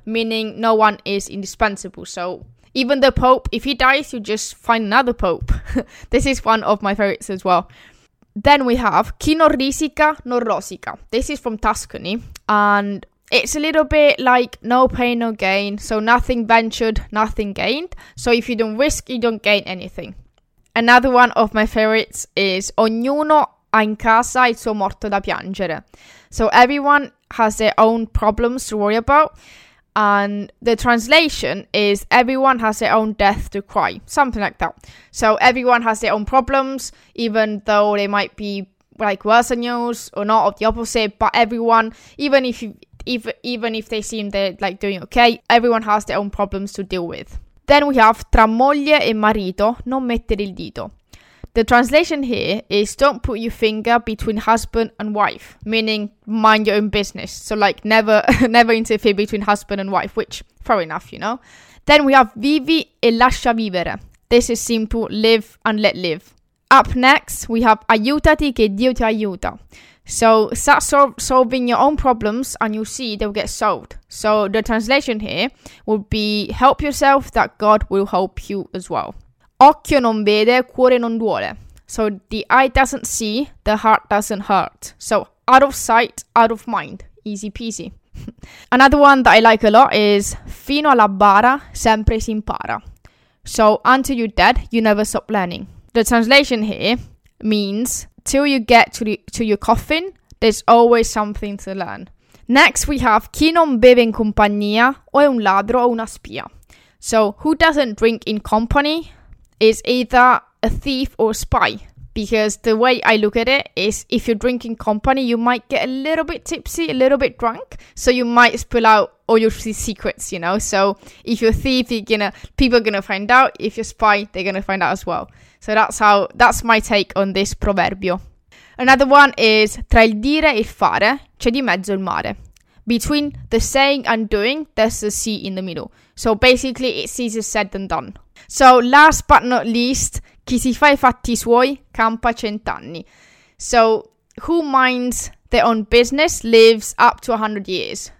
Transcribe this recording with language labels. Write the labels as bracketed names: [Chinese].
[English] Meaning no one is indispensable. So even the pope, if he dies, you just find another pope. This is one of my favorites as well. Then we have [Italian] chi non risica non rosica. [English] This is from Tuscany, and it's a little bit like no pain, no gain. So nothing ventured, nothing gained. So if you don't risk, you don't gain anything. Another one of my favorites is [Italian] ognuno ha in casa il suo morto da piangere. [English] So everyone has their own problems to worry about. And the translation is, everyone has their own death to cry. Something like that. So everyone has their own problems, even though they might be like worse than yours or not, or the opposite. But everyone, even if they seem they're like doing okay, everyone has their own problems to deal with. Then we have [Italian] tra moglie e marito non mettere il dito. [English] The translation here is, don't put your finger between husband and wife, meaning mind your own business. So like never interfere between husband and wife, which fair enough, you know. Then we have [Italian] vivi e lascia vivere. [English] This is simple, live and let live. Up next, we have [Italian] aiutati che Dio ti aiuta. [English] So start solving your own problems and you'll see they'll get solved. So the translation here would be, help yourself that God will help you as well. [Italian] Occhio non vede, cuore non duole. [English] So the eye doesn't see, the heart doesn't hurt. So out of sight, out of mind. Easy peasy. Another one that I like a lot is, [Italian] fino alla bara, sempre si impara. [English] So until you're dead, you never stop learning. The translation here means, till you get to your coffin, there's always something to learn. Next we have, [Italian] chi non beve in compagnia o è un ladro o una spia. [English] So who doesn't drink in company is either a thief or a spy. Because the way I look at it is, if you're drinking company, you might get a little bit tipsy, a little bit drunk. So you might spill out all your secrets, you know. So if you're a thief, people are going to find out. If you're a spy, they're going to find out as well. So that's my take on this proverbio. Another one is, [Italian] tra il dire e il fare, c'è di mezzo il mare. [English] Between the saying and doing, there's the sea in the middle. So basically, it's easier said than done. So last but not least, [Italian] chi si fa i fatti suoi campa cent'anni. [English] So who minds their own business lives up to 100 years.